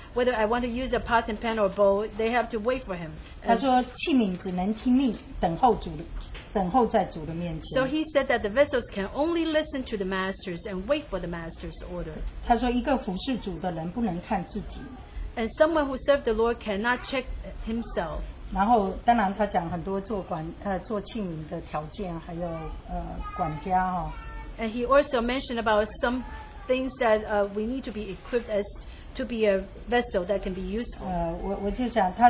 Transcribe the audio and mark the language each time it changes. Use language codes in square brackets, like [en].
[en] Whether I want to use a pot and pan or bowl, they have to wait for him. [zh] 他说，器皿只能听命，等候主的。 [en] So he said that the vessels can only listen to the masters and wait for the master's order. [zh] 他说一个服侍主的人不能看自己。 [en] And someone who served the Lord cannot check himself. [zh] 然后当然他讲很多做器皿的条件，还有管家哦。 [en] And he also mentioned about some things that we need to be equipped as to be a vessel that can be useful.